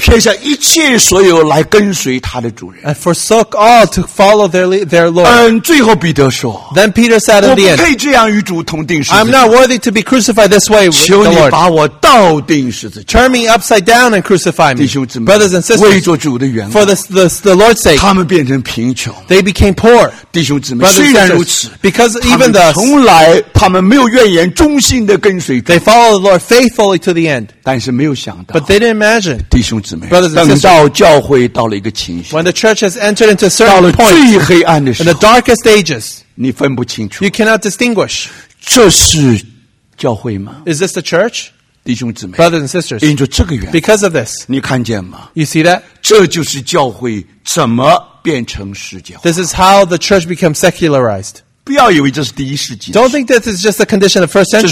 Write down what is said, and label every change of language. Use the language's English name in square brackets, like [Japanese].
[Chinese] 天下一切所有来跟随他的主人, [English] and forsook all to follow their Lord. [Chinese] 最后彼得说, [English] then Peter said at the end, I'm not worthy to be crucified this way with the Lord. Turn me upside down and crucify me. [Chinese] 弟兄姊妹, [English] brothers and sisters, [Chinese] 为做主的缘故, [English] for the Lord's sake, [Chinese] 他们变成贫穷, [English] they became poor. [Chinese] 弟兄姊妹, [English] brothers and sisters, [Chinese] 虽然如此, [English] because even thus, [Chinese] 他们从来没有怨言，忠心的跟随主, [English] they follow the Lord faithfully to the end. [Chinese] 但是没有想到, [English] but they didn't imagine, [Chinese] 弟兄姊妹, [English] brothers and sisters, [Chinese] 等到教会到了一个情绪, [English] when the church has entered into a certain point, [Chinese] 到了最黑暗的时候, [English] in the darkest ages, [Chinese] 你分不清楚, [English] you cannot distinguish, [Chinese] 这是教会吗? [English] Is this the church? [Chinese] 弟兄姊妹, [English] brothers and sisters, [Chinese] 因着这个缘故, [English] because of this, [Chinese] 你看见吗? [English] You see that? [Chinese] 这就是教会怎么变成世界化, [English] this is how the church became secularized. Don't think this is just a condition of the first century.